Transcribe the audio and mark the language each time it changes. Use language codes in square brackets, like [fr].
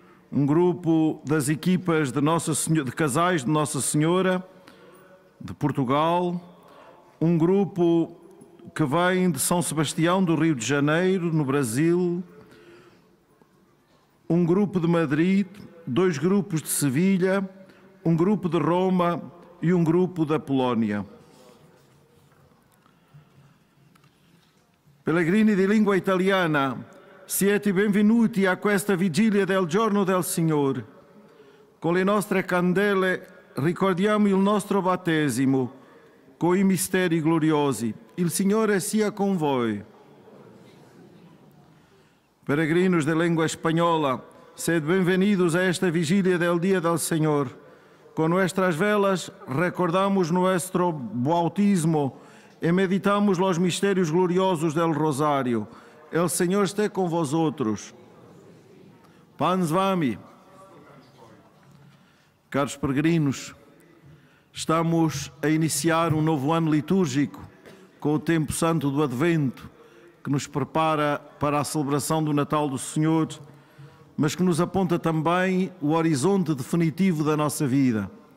[pt] Um grupo das equipas de, Nossa Senhora, de casais de Nossa Senhora de Portugal, um grupo que vem de São Sebastião, do Rio de Janeiro, no Brasil, um grupo de Madrid, dois grupos de Sevilha, um grupo de Roma e um grupo da Polónia. [it] Pellegrini di lingua italiana, siete benvenuti a questa vigilia del giorno del Signore, con le nostre candele. Ricordiamo il nostro battesimo con i misteri gloriosi. Il Signore sia con voi. [es] Peregrinos de lengua española, sed benvenidos a esta vigilia del Día del Señor. Con nuestras velas recordamos nuestro bautismo e meditamos los misterios gloriosos del Rosario. El Señor esté con vosotros. [pl] Pans vami. [pt] Caros peregrinos, estamos a iniciar um novo ano litúrgico com o tempo santo do Advento, que nos prepara para a celebração do Natal do Senhor, mas que nos aponta também o horizonte definitivo da nossa vida.